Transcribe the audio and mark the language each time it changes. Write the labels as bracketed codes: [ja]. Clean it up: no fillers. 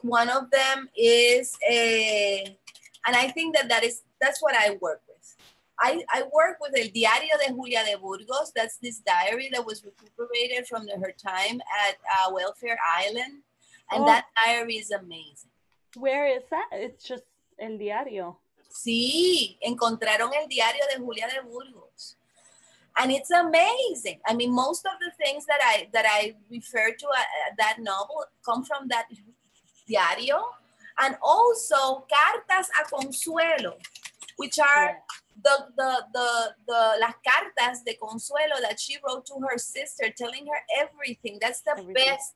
[en] One of them is and I think that's what I work with. I work with El Diario de Julia de Burgos. That's this diary that was recuperated from her time at Welfare Island. And that diary is amazing. Where is that? It's just El Diario. [es] Sí, encontraron El Diario de Julia de Burgos. [en] And it's amazing. I mean, most of the things that I refer to that novel come from that diario. And also Cartas a Consuelo, which are the [es] las cartas de consuelo [en] that she wrote to her sister, telling her everything. That's the best.